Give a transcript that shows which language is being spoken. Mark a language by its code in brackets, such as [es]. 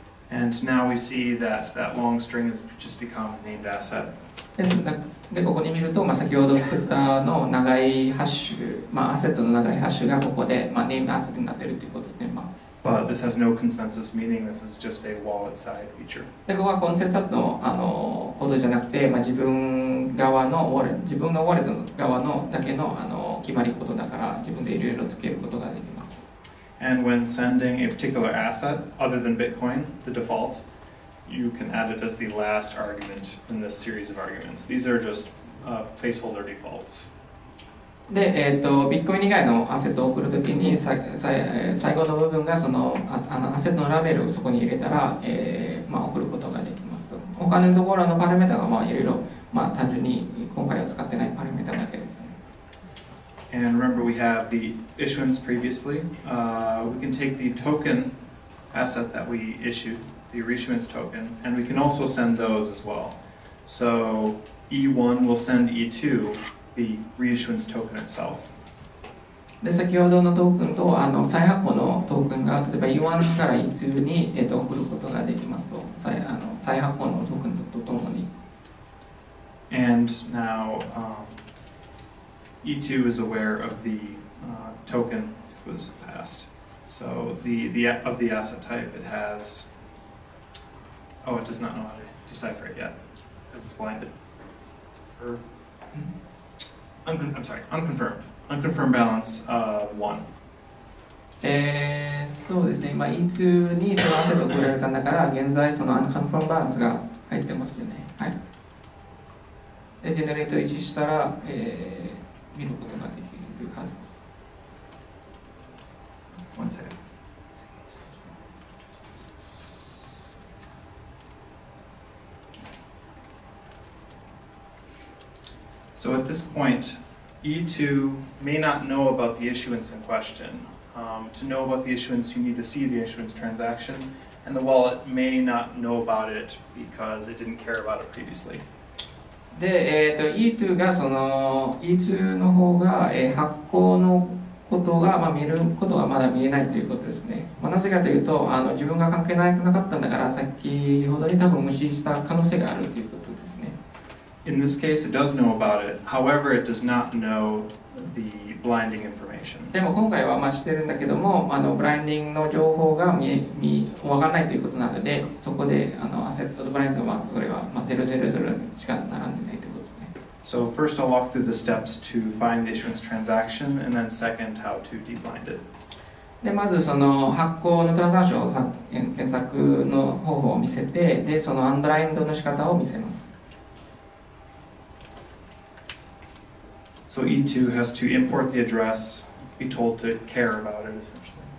[en] And now we see that that long string has just become named asset. [ja] でここに見ると、まあ、先ほど作ったの長いハッシュ、まあ、アセットの長いハッシュがここで、まあ、named asset になっているということですね。まあ、 [en] But this has no consensus meaning. This is just a wallet side feature. [ja] でここはコンセンサスの、あのコードじゃなくて、まあ、自分側のウォレ、自分のウォレットの側のだけの、あの決まりことだから、自分でいろいろつけることができます。 [en] And when sending a particular asset other than Bitcoin, the default, you can add it as the last argument in this series of arguments. These are just placeholder defaults. [ja] で、Bitcoin 以外のアセットを送るときに最後の部分がそのアセットのラベルをそこに入れたら、まあ、送ることができますと。他のところのパラメータがまあいろいろ、まあ、単純に今回は使ってないパラメータだけですね。 [en] And remember, we have the issuance previously. We can take the token asset that we issued, the reissuance token, and we can also send those as well. So E1 will send E2 the reissuance token itself. [ja] で先ほどのトークンとあの再発行のトークンが例えば E1 から E2 に、送ることができますと再あの再発行のトークンとともに。 [en] And now. E2 is aware of the、token that was passed. So the of the asset type it has. Oh, it does not know how to decipher it yet, because it's blinded. Unconfirmed. Unconfirmed balance of one. [ja] そうですね。まあ E2 にそのアセットを送られたんだから、現在その [en] unconfirmed balance [ja] が入ってますよね。はい。で、ジェネレート1したら、見ることができるはず。 [en] One second. So at this point, E2 may not know about the issuance in question. To know about the issuance, you need to see the issuance transaction, and the wallet may not know about it because it didn't care about it previously. [ja] で、E2 がその E2 の方が、発行のことが、まあ、見ることがまだ見えないということですね。まあ、なぜかというとあの自分が関係なくなかったんだから先ほどに多分無視した可能性があるということですね。 [en] In this case, it does know about it. However, it does not know the blinding information. [ja] でも今回はまあ知ってるんだけどもあのブラインディングの情報が分からないということなのでそこであのアセットとブラインディングはこれは、まあ、000しか並んでないということですね。 [en] So first I'll walk through the steps to find the issuance transaction and then second how to deblind it. [ja] でまずその発行のトランザクションを検索の方法を見せてでそのアンブラインドの仕方を見せます。 [en] So E2 has to import the address, be told to care about it essentially.